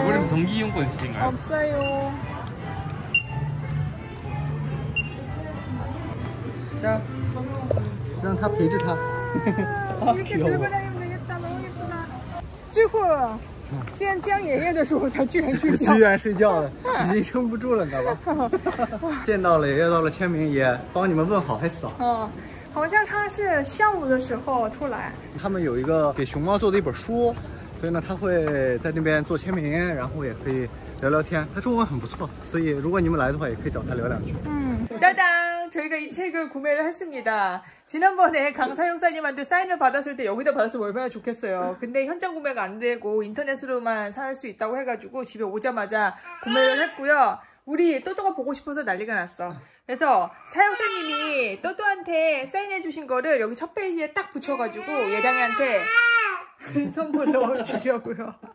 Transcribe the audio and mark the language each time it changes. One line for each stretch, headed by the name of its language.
Korean: 에버랜드 정기 이용권 있으신가요? 없어요. 자, 그냥 다 베이지 다. 이렇게 들고 다니면 되겠다. 너무 이쁘다. 쥐호.
Chinese: 见江爷爷的时候，他居然睡觉了，已经撑不住了，你知道吧？见到了爷爷，到了签名也帮你们问好，还早。哦，好像他是下午的时候出来。他们有一个给熊猫做的一本书，所以呢，他会在那边做签名，然后也可以聊聊天。他中文很不错，所以如果你们来的话，也可以找他聊两句。嗯，当当。
Korean: 저희가 이 책을 구매를 했습니다. 지난번에 강사 형사님한테 사인을 받았을 때 여기다 받았으면 얼마나 좋겠어요. 근데 현장 구매가 안 되고 인터넷으로만 살 수 있다고 해가지고 집에 오자마자 구매를 했고요. 우리 또또가 보고 싶어서 난리가 났어. 그래서 사형사님이 또또한테 사인해 주신 거를 여기 첫 페이지에 딱 붙여가지고 예량이한테 선물 넣어주려고요.